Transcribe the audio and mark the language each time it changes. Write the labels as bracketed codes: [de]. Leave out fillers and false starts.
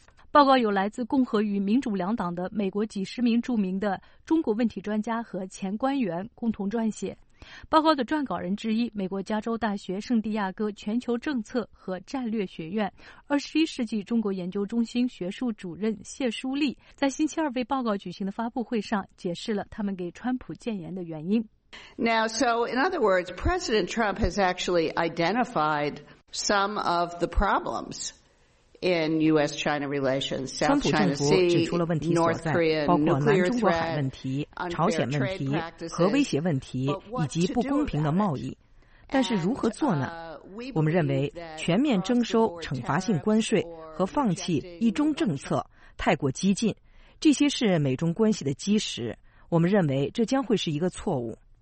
[zh] 报告有来自共和与民主两党的美国几十名著名的中国问题专家和前官员共同撰写。报告的撰稿人之一，美国加州大学圣地亚哥全球政策和战略学院21世纪中国研究中心学术主任谢淑丽，在星期二为报告举行的发布会上解释了他们给川普建言的原因。 [en] Now, so in other words, President Trump has actually identified some of the problems. In U.S.-China relations, South China Sea, North Korea, nuclear threat, [zh] 川普政府指出了问题所在，包括南中国海问题、朝鲜问题、核威胁问题以及不公平的贸易。但是如何做呢？我们认为全面征收惩罚性关税和放弃一中政策太过激进，这些是美中关系的基石。我们认为这将会是一个错误。